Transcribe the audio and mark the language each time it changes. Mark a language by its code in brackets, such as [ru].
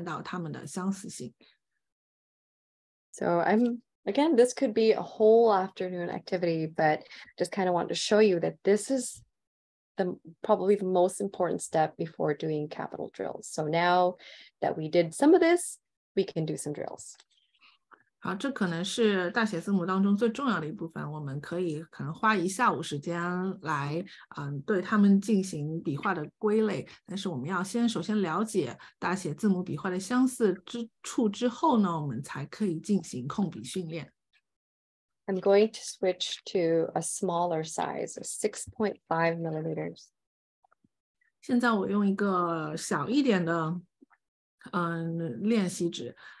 [zh] 第二步呢，是研究你的范本，然后把这些大写字母的相似性把它们找出来。对于我来说，我比较喜欢的是用不同颜色把它们标注出来，这样我就可以一眼看到它们的相似性。 [en] So this could be a whole afternoon activity, but just kind of want to show you that this is probably the most important step before doing capital drills. So now that we did some of this, we can do some drills. [zh] 好，这可能是大写字母当中最重要的一部分。我们可以可能花一下午时间来，对它们进行笔画的归类。但是我们要先首先了解大写字母笔画的相似之处之后呢，我们才可以进行控笔训练。 [en] I'm going to switch to a smaller size, 6.5 millimeters. [zh] 现在我用一个小一点的练习纸。